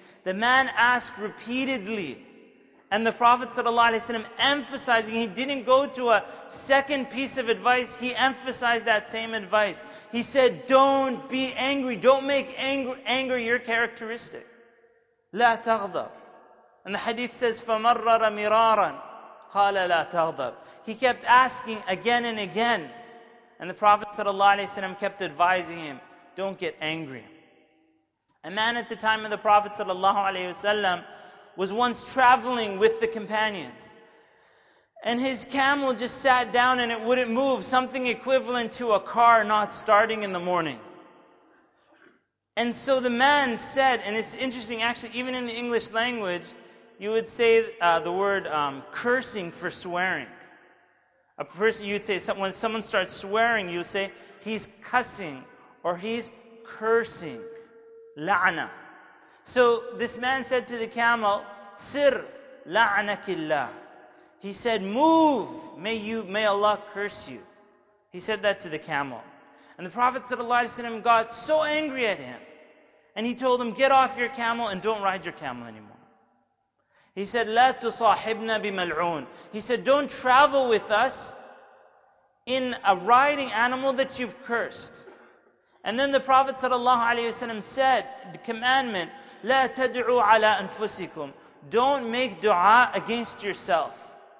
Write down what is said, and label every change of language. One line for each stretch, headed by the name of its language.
English: The man asked repeatedly, and the Prophet ﷺ emphasizing, he didn't go to a second piece of advice, he emphasized that same advice. He said, don't be angry, don't make anger your characteristic.
Arabic: لا تغضب.
English: And the hadith says,
Arabic: فمرر مرارا قال لا تغضب.
English: He kept asking again and again, and the Prophet ﷺ kept advising him, don't get angry. A man at the time of the Prophet ﷺ was once traveling with the companions. And his camel just sat down and it wouldn't move. Something equivalent to a car not starting in the morning. And so the man said, and it's interesting actually, even in the English language, you would say the word cursing for swearing. A person, you'd say, when someone starts swearing, you say, he's cussing. Or he's cursing. La'na. So this man said to the camel, Sir, la'anakillah. He said, move. May Allah curse you. He said that to the camel. And the Prophet ﷺ got so angry at him. And he told him, get off your camel and don't ride your camel anymore. He said,
Arabic: لَا تُصَاحِبْنَا بِمَلْعُونَ.
English: He said, don't travel with us in a riding animal that you've cursed. And then the Prophet ﷺ said, the commandment,
Arabic: لَا تَدْعُوا عَلَىٰ أَنفُسِكُمْ.
English: Don't make dua against yourself.